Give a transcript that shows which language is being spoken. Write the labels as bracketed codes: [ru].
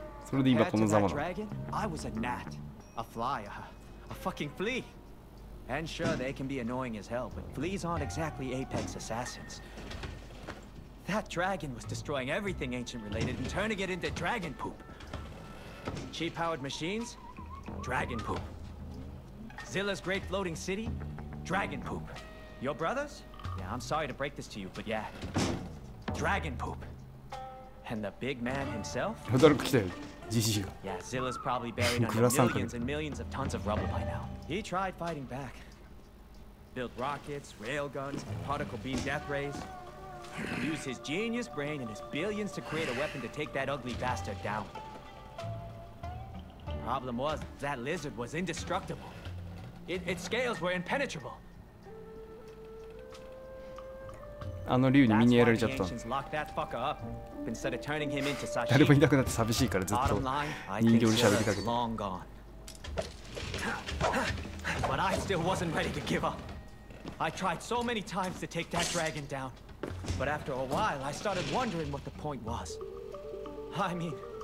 [ja] それで今このざまなの。 [en] And sure they can be annoying as hell, but fleas aren't exactly apex assassins. That dragon was destroying everything ancient related and turning it into dragon poop. Cheap powered machines. Dragon poop. Zilla's great floating city? Dragon poop. Your brothers? Yeah, I'm sorry to break this to you, but yeah. Dragon poop. And the big man himself? Yeah, Zilla's probably buried under millions and millions of tons of rubble by now. He tried fighting back. Built rockets, railguns, particle beam death rays. Used his genius brain and his billions to create a weapon to take that ugly bastard down. The problem was that lizard was indestructible. Its scales were impenetrable. [ja] あの竜にみんなやられちゃった。誰もいなくなって寂しいからずっと人形に喋りかけて。 [en] But I still wasn't ready to give up. I tried so many times to take that dragon down. But after a while, I started wondering what the point was. I mean.